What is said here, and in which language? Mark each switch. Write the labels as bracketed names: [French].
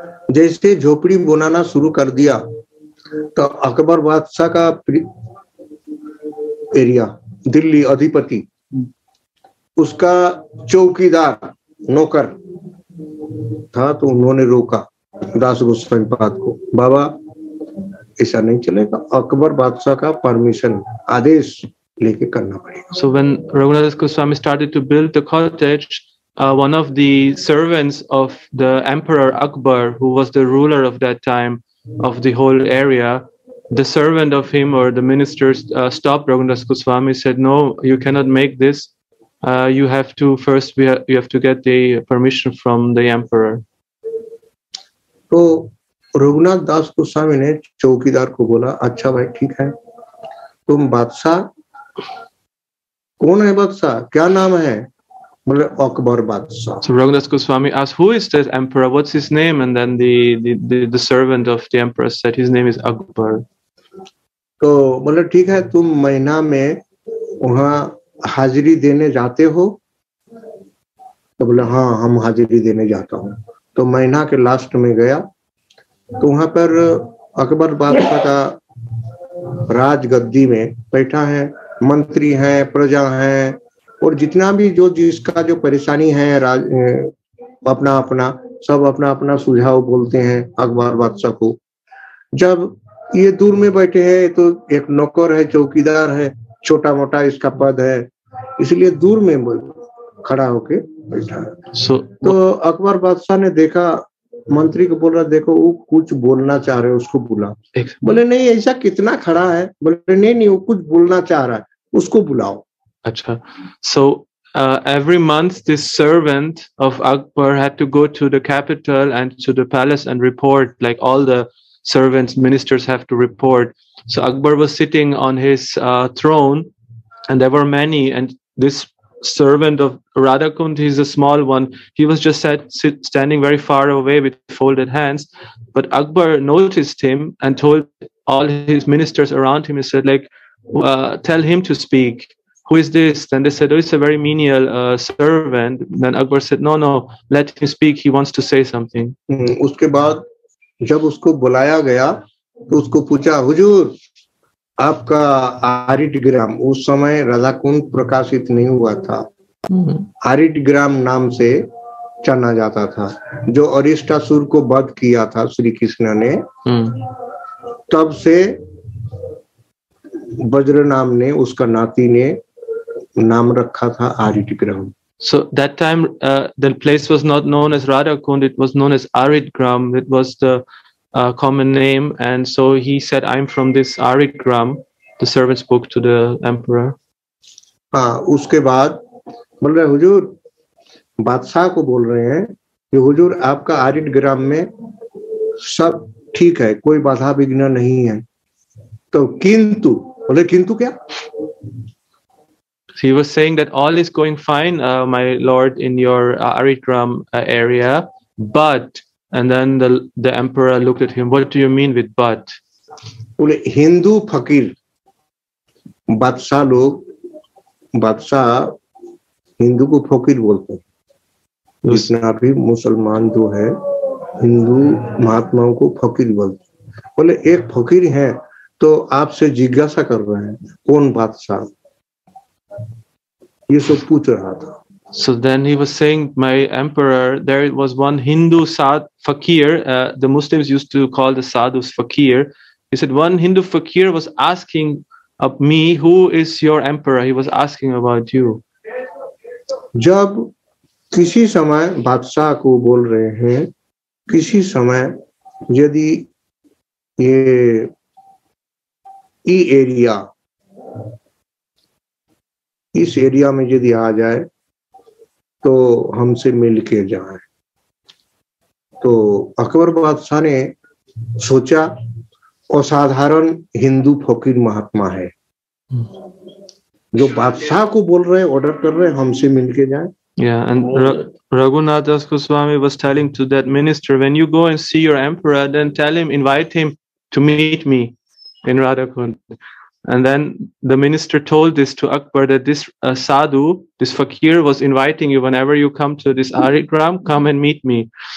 [Hindi] जैसे झोपड़ी बनाना शुरू कर दिया, तो अकबर बादशाह का एरिया, दिल्ली अधिपति, उसका चौकीदार, नौकर था, तो उन्होंने रोका दास गोस्वामी पाद को, बाबा ऐसा नहीं चलेगा अकबर बादशाह का परमिशन आदेश लेके करना पड़ेगा. [English] So when Raghunath Das Goswami started to build the cottage, one of the servants of the emperor Akbar, who was the ruler of that time of the whole area, the servant of him or the ministers stopped Raghunath Das Goswami, said, "No, you cannot make this. You have to get the permission from the emperor." [Hindi] So Raghunath दास गोस्वामी ने चौकीदार को बोला अच्छा भाई ठीक है तुम बादशाह कौन है बादशाह क्या नाम है बोले अकबर बादशाह. [English] So Raghunath Goswami asked who is this emperor what's his name and then the servant of the emperor said his name is Akbar. [Hindi] तो बोले ठीक है तुम महीना में वहां हाजिरी देने जाते हो? तो बोले हाँ हम हाजिरी देने जाता हूँ। तो महीना के लास्ट में गया तो वहां पर अकबर बादशाह का राज गद्दी में बैठा है, मंत्री है, प्रजा है और जितना भी जो जिसका जो परेशानी है राज अपना अपना सब अपना अपना सुझाव बोलते हैं अकबर बादशाह को। जब ये दूर में बैठे हैं तो एक नौकर है, चौकीदार है, छोटा मोटा इसका पद है, इसलिए दूर में खड़ा होके बैठा है। तो अकबर बादशाह ने देखा मंत्री को, बोल रहा देखो वो कुछ बोलना चाह रहे, उसको बुला। बोले नहीं ऐसा कितना खड़ा है? बोले नहीं नहीं वो कुछ बोलना चाह रहा है, उसको बुलाओ। अच्छा, [English] So every month this servant of Akbar had to go to the capital and to the palace and report, like all the servants, ministers have to report. So Akbar was sitting on his throne and there were many, and this servant of Radhakund, he's a small one, he was just standing very far away with folded hands. But Akbar noticed him and told all his ministers around him, he said, like, tell him to speak. Who is this? Then they said, oh, it's a very menial servant. Then Akbar said, no, no, let him speak. He wants to say something. [Hindi] उसके बाद जब उसको बुलाया गया तो उसको पूछा, हुजूर आपका आरिटग्राम, उस समय राधाकुंड प्रकाशित नहीं हुआ था, आरिटग्राम नाम से जाना जाता था, जो अरिष्टासुर को वध किया था श्री कृष्ण ने, तब से वज्र नाम ने, उसका नाती ने नाम रखा था आरिटग्राम। [English] So that time the place was not known as Radhakund, it was known as Aritgram. It was the common name. And so he said, I'm from this Aritgram. The servant spoke to the emperor. [Hindi] हाँ, उसके बाद बोल रहे हुजूर, बादशाह को बोल रहे हैं कि हुजूर आपका आरिटग्राम में सब ठीक है, कोई बाधा विघ्न नहीं है। तो किंतु, बोले किंतु क्या? [English] He was saying that all is going fine, my lord, in your Aritgram area, but, and then the emperor looked at him, what do you mean with but? [Hindi] बोले हिंदू फकीर, बादशाह लोग, बादशाह हिंदू को फकीर बोलते हैं, जितना भी मुसलमान जो है हिंदू महात्माओं को फकीर बोलते हैं। बोले एक फकीर है तो आपसे जिज्ञासा कर रहे हैं, कौन बादशाह, ये सब पूछ रहा था। [English] So then he was saying, my emperor, there was one Hindu fakir, the Muslims used to call the sadhus fakir. He said, one Hindu fakir was asking of me, who is your emperor? He was asking about you. [Hindi] जब किसी समय बादशाह को बोल रहे हैं, किसी समय यदि ये एरिया, इस एरिया में यदि आ जाए तो हमसे मिल के जाए। तो अकबर बादशाह ने सोचा असाधारण हिंदू फकीर महात्मा है, जो बादशाह को बोल रहे, ऑर्डर कर रहे हमसे मिल के जाए। [English] Yeah, and Raghunath Das Goswami was telling to that minister, when you go and see your emperor, then tell him, invite him to meet me in Radhakund. And then the minister told this to Akbar, that this sadhu, this fakir was inviting you, whenever you come to this Aritgram, come and meet me.